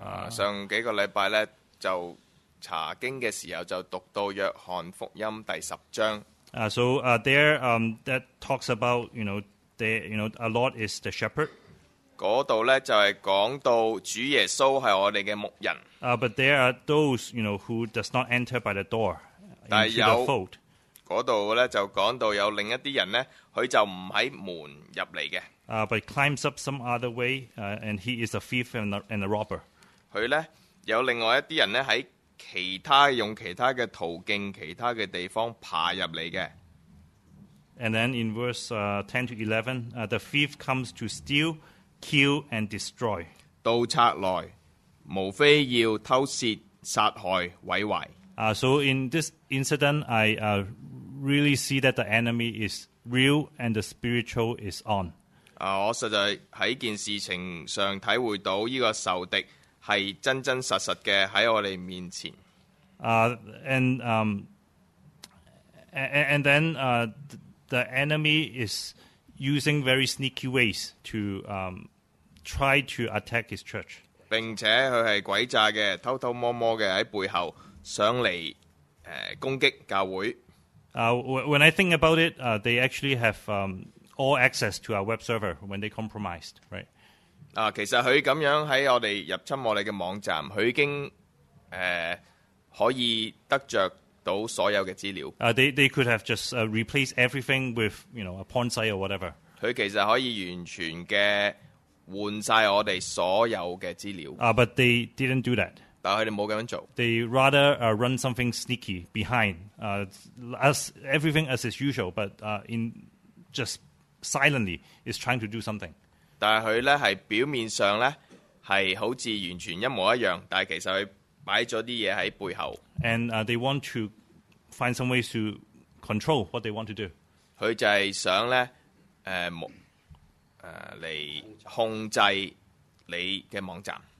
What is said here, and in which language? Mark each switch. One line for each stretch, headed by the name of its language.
Cantonese: 上几个礼拜咧，就查经嘅时候就读到约翰福音第十章。
English: That talks about, you know, the, you know, our Lord is the shepherd.
Cantonese: 嗰度咧就係講到主耶穌係我哋嘅牧人。
English: But there are those, you know, who does not enter by the door into the fold.
Cantonese: 嗰度咧就講到有另一啲人咧，佢就唔喺門入嚟嘅。
English: But climbs up some other way, and he is a thief and a robber.
Cantonese: 佢咧有另外一啲人咧喺其他用其他嘅途徑、其他嘅地方爬入嚟嘅。
English: And then in verse 10 to 11, the thief comes to steal. Kill and destroy.
Cantonese: 盜賊來，無非要偷竊、殺害、毀壞。
English: So in this incident, I really see that the enemy is real and the spiritual is on.
Cantonese: 我實在喺件事情上體會到依個仇敵係真真實實嘅喺我哋面前。
English: The enemy is. Using very sneaky ways to try to attack his church.
Cantonese: 並且佢係詭詐嘅，偷偷摸摸嘅喺背後上嚟攻擊教會。
English: When I think about it, they actually have all access to our web server when they compromised, right?
Cantonese: 其實佢咁樣喺我哋入侵我哋嘅網站，佢已經可以得著。
English: They could have just replaced everything with, you know, a porn site or whatever.
Cantonese: 佢其實可以完全嘅換曬我哋所有嘅資料。
English: But they didn't do that.
Cantonese: 但佢哋冇咁樣做。
English: They rather run something sneaky behind as everything as is usual, but in just silently is trying to do something.
Cantonese: 但係佢咧係表面上咧係好似完全一模一樣，但係其實佢。摆咗啲嘢喺背后
English: ，and they want to find some ways to control what they want to do。
Cantonese: 佢就系想咧，嚟控制你嘅网站。